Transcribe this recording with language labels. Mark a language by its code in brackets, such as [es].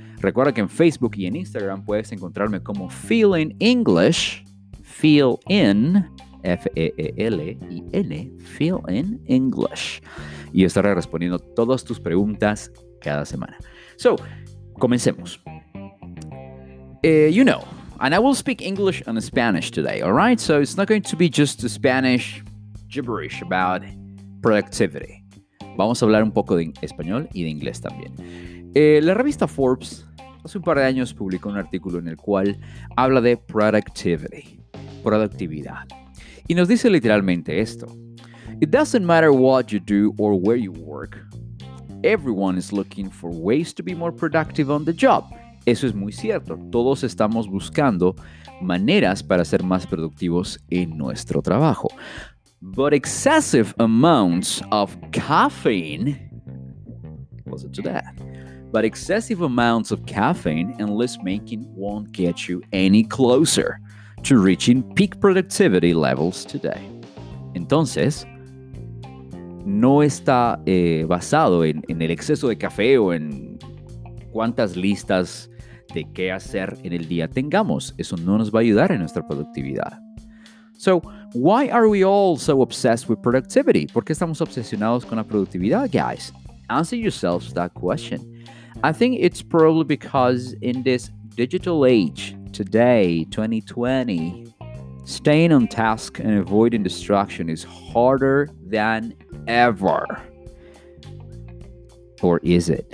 [es] Recuerda que en Facebook y en Instagram puedes encontrarme como Feel in English, Feel in, F-E-E-L-I-N, Feel in English. Y estaré respondiendo todas tus preguntas cada semana. So, comencemos. [en] You know, and I will speak English and Spanish today, all right? So it's not going to be just the Spanish gibberish about productivity. [es] Vamos a hablar un poco de español y de inglés también. La revista Forbes hace un par de años publicó un artículo en el cual habla de productivity, productividad. Y nos dice literalmente esto. [en] It doesn't matter what you do or where you work. Everyone is looking for ways to be more productive on the job. [es] Eso es muy cierto. Todos estamos buscando maneras para ser más productivos en nuestro trabajo. [en] But excessive amounts of caffeine, listen to that. But excessive amounts of caffeine and list making won't get you any closer to reaching peak productivity levels today. [es] Entonces, no está basado en el exceso de café o en cuántas listas de qué hacer en el día tengamos. Eso no nos va a ayudar en nuestra productividad. [en] So, why are we all so obsessed with productivity? [es] ¿Por qué estamos obsesionados con la productividad, guys? [en] Answer yourselves that question. I think it's probably because in this digital age, today, 2020, staying on task and avoiding distraction is harder than ever. Or is it?